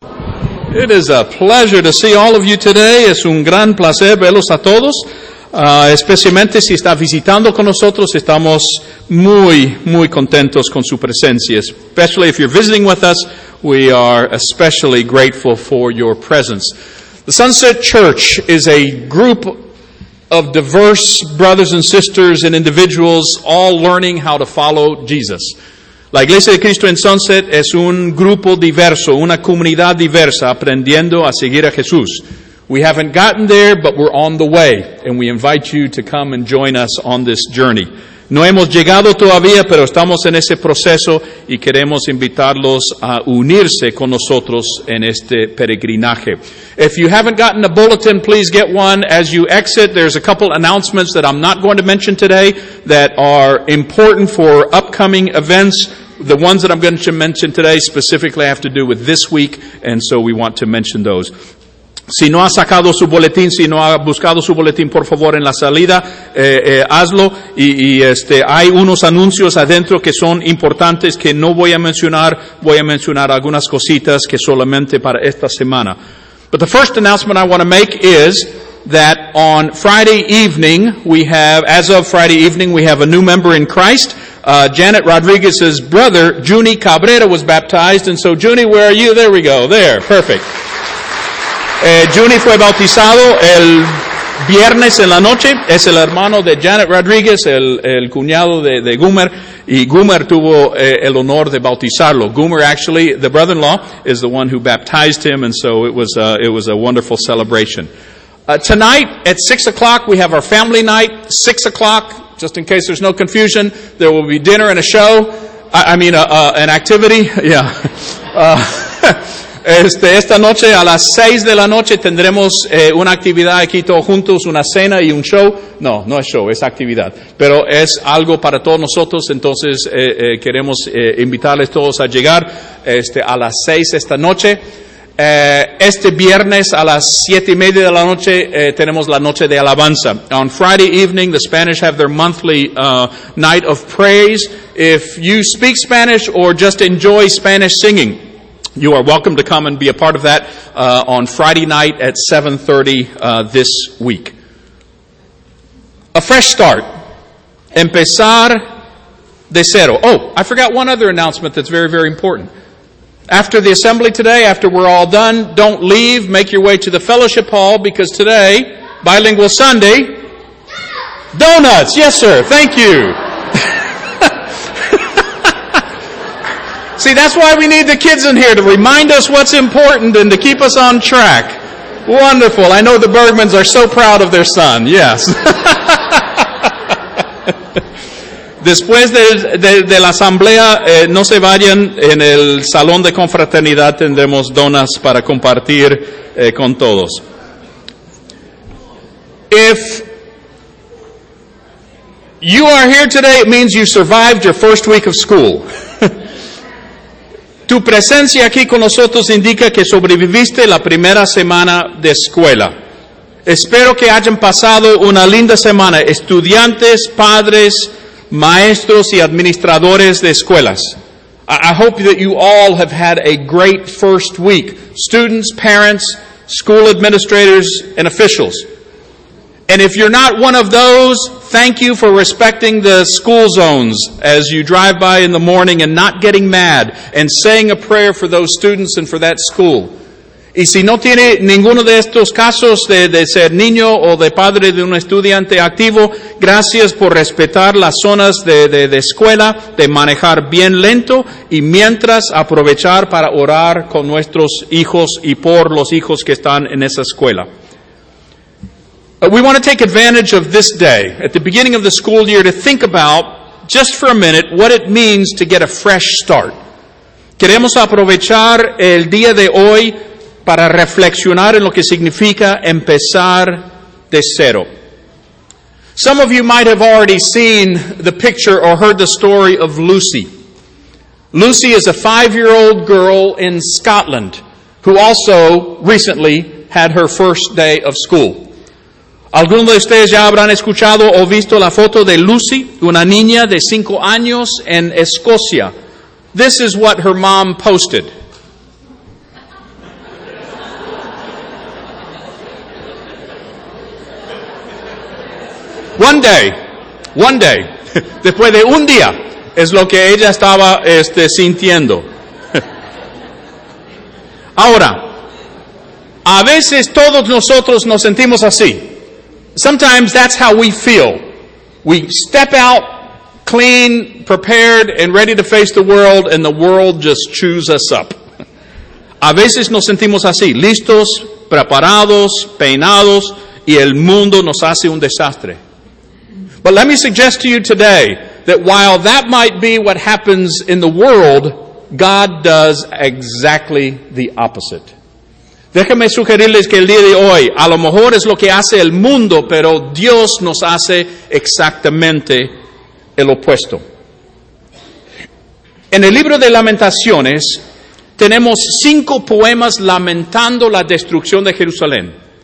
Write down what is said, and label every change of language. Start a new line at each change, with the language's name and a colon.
English: It is a pleasure to see all of you today.
Spanish: Es un gran placer verlos a todos, especialmente si está visitando con nosotros. Estamos muy, muy contentos con su presencia.
English: Especially if you're visiting with us, we are especially grateful for your presence. The Sunset Church is a group of diverse brothers and sisters and individuals all learning how to follow Jesus.
Spanish: La Iglesia de Cristo en Sunset es un grupo diverso, una comunidad diversa, aprendiendo a seguir a Jesús.
English: We haven't gotten there, but we're on the way, and we invite you to come and join us on this journey.
Spanish: No hemos llegado todavía, pero estamos en ese proceso, y queremos invitarlos a unirse con nosotros en este peregrinaje.
English: If you haven't gotten a bulletin, please get one as you exit. There's a couple announcements that I'm not going to mention today that are important for upcoming events. The ones that I'm going to mention today specifically have to do with this week, and so we want to mention those.
Spanish: Si no ha sacado su boletín, si no ha buscado su boletín, por favor, en la salida, hazlo. Y hay unos anuncios adentro que son importantes que no voy a mencionar. Voy a mencionar algunas cositas que solamente para esta semana.
English: But the first announcement I want to make is that on Friday evening, we have a new member in Christ. Janet Rodriguez's brother, Junie Cabrera, was baptized. And so, Junie, where are you? There we go. There. Perfect.
Spanish: Junie fue bautizado el viernes en la noche. Es el hermano de Janet Rodriguez, el cuñado de Gumer. Y Gumer tuvo el honor de bautizarlo.
English: Gumer, actually, the brother-in-law, is the one who baptized him. And so it was a wonderful celebration. Tonight at 6 o'clock, we have our family night. 6 o'clock, just in case there's no confusion, there will be dinner and a show. An activity. Yeah.
Spanish: Esta noche a las 6 de la noche tendremos una actividad aquí todos juntos, una cena y un show. No es show, es actividad. Pero es algo para todos nosotros, entonces queremos invitarles todos a llegar a las 6 esta noche. Este viernes a las 7:30 de la noche tenemos la noche de alabanza.
English: On Friday evening, the Spanish have their monthly night of praise. If you speak Spanish or just enjoy Spanish singing, you are welcome to come and be a part of that on Friday night at 7:30 this week. A fresh start.
Spanish: Empezar de cero.
English: Oh, I forgot one other announcement that's very, very important. After the assembly today, after we're all done, don't leave. Make your way to the fellowship hall because today, Bilingual Sunday, donuts. Yes, sir. Thank you. See, that's why we need the kids in here, to remind us what's important and to keep us on track. Wonderful. I know the Bergmans are so proud of their son. Yes.
Spanish: Después de la asamblea, no se vayan, en el salón de confraternidad tendremos donas para compartir con todos.
English: If you are here today, it means you survived your first week of school.
Spanish: Tu presencia aquí con nosotros indica que sobreviviste la primera semana de escuela. Espero que hayan pasado una linda semana, estudiantes, padres, maestros y administradores de escuelas.
English: I hope that you all have had a great first week. Students, parents, school administrators, and officials. And if you're not one of those, thank you for respecting the school zones as you drive by in the morning and not getting mad and saying a prayer for those students and for that school.
Spanish: Y si no tiene ninguno de estos casos de ser niño o de padre de un estudiante activo, gracias por respetar las zonas de escuela, de manejar bien lento y mientras aprovechar para orar con nuestros hijos y por los hijos que están en esa escuela.
English: We want to take advantage of this day, at the beginning of the school year, to think about, just for a minute, what it means to get a fresh start.
Spanish: Queremos aprovechar el día de hoy para reflexionar en lo que significa empezar de cero.
English: Some of you might have already seen the picture or heard the story of Lucy. Lucy is a 5-year-old girl in Scotland who also recently had her first day of school.
Spanish: ¿Alguno de ustedes ya habrán escuchado o visto la foto de Lucy, una niña de 5 años en Escocia?
English: This is what her mom posted. One day.
Spanish: Después de un día. Es lo que ella estaba sintiendo. Ahora, a veces todos nosotros nos sentimos así.
English: Sometimes that's how we feel. We step out clean, prepared, and ready to face the world, and the world just chews us up.
Spanish: A veces nos sentimos así, listos, preparados, peinados, y el mundo nos hace un desastre.
English: But let me suggest to you today that while that might be what happens in the world, God does exactly the opposite.
Spanish: Déjame sugerirles que el día de hoy, a lo mejor es lo que hace el mundo, pero Dios nos hace exactamente el opuesto. En el libro de Lamentaciones, tenemos 5 poemas lamentando la destrucción de Jerusalén.